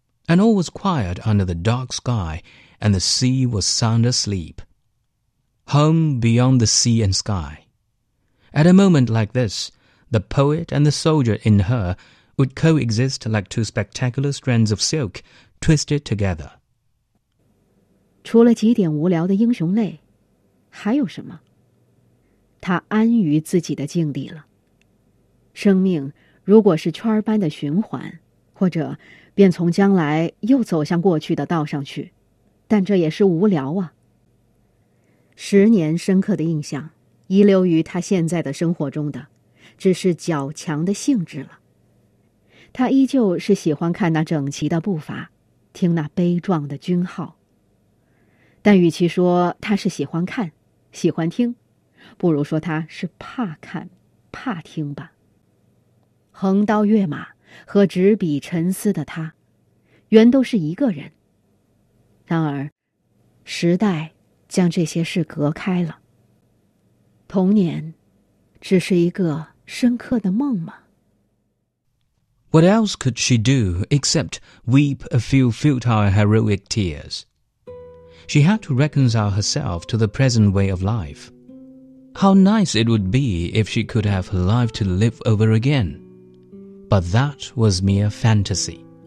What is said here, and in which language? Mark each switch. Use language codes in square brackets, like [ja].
[en] And all was quiet under the dark sky, and the sea was sound asleep. Home beyond the sea and sky. At a moment like this, the poet and the soldier in her would coexist like two spectacular strands of silk twisted together. [zh] 除了几点无聊的英雄泪，还有什么？他安于自己的境地了。生命如果是圈般的循环，或者便从将来又走向过去的道上去，但这也是无聊啊。十年深刻的印象遗留于他现在的生活中的只是较强的兴致了。他依旧是喜欢看那整齐的步伐，听那悲壮的军号。但与其说他是喜欢看喜欢听，不如说他是怕看怕听吧。横刀跃马和执笔沉思的他原都是一个人，然而时代将这些事隔开了。童年只是一个深刻的梦吗？ [en] What else could she do except weep a few futile heroic tears? She had to reconcile herself to the present way of life. How nice it would be if she could have her life to live over againBut that was mere fantasy.